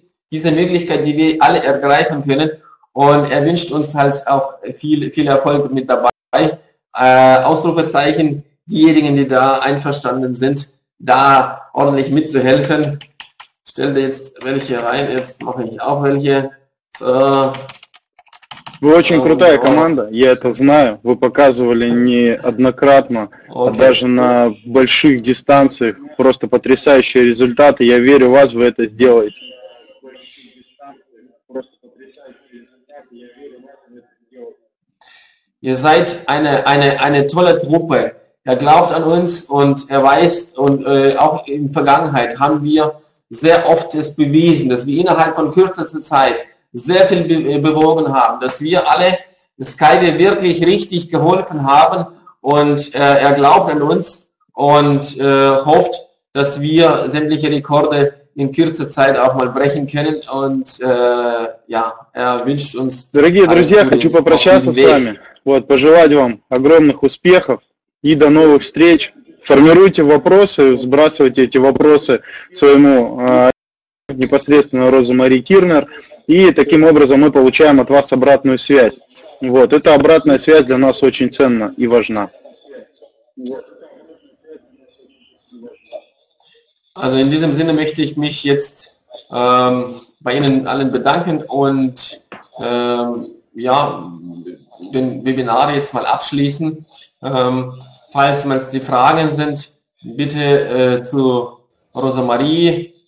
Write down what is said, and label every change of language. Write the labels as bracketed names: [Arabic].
[German] diese Möglichkeit, die wir alle ergreifen können und er wünscht uns halt auch viel Erfolg mit dabei, Ausrufezeichen, diejenigen, die da einverstanden sind, da ordentlich mitzuhelfen, stell dir jetzt welche rein, jetzt mache ich auch welche, so. [Russian] Вы очень крутая команда, я это знаю. Вы показывали неоднократно, okay. А даже на больших дистанциях просто потрясающие результаты. Я верю в вас, вы это сделаете. [German] Ihr seid eine tolle Truppe. Er glaubt an uns und er weiß und auch in der Vergangenheit haben wir sehr oft es bewiesen, dass wir innerhalb von kürzester Zeit sehr viel bewogen haben, dass wir alle Skype wirklich richtig geholfen haben und er glaubt an uns und hofft, dass wir sämtliche Rekorde in kürzer Zeit auch mal brechen können und ja, er wünscht uns. [Russian] Дорогие друзья, хочу попрощаться с вами, вот пожелать вам огромных успехов и до новых встреч. Формируйте вопросы, сбрасывайте эти вопросы своему непосредственно Розе-Марии Кирнер. И таким образом мы получаем от вас обратную связь. Вот, эта обратная связь для нас очень ценна и важна. [German] Also in diesem Sinne möchte ich mich jetzt bei Ihnen allen bedanken und ja, den Webinar jetzt mal abschließen. Falls mal die Fragen sind, bitte zu Rosemarie.